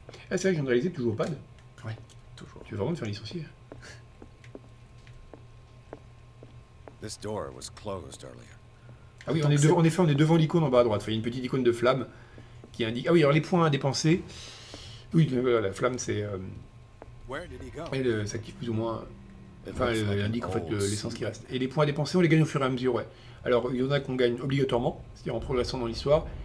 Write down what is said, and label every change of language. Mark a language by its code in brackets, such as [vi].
[fr] Ah, c'est vrai que j'ai réalisé toujours pas de. Ouais, toujours. Tu veux vraiment te faire licencier? [en] This door was closed earlier. [fr] Ah oui, on est devant l'icône en bas à droite. Enfin, il y a une petite icône de flamme qui indique... Ah oui, alors les points à dépenser... Oui, la flamme, c'est... Elle s'active plus ou moins. Enfin, elle indique en fait l'essence qui reste. Et les points à dépenser, on les gagne au fur et à mesure, ouais. Alors, il y en a qu'on gagne obligatoirement, c'est-à-dire en progressant dans l'histoire.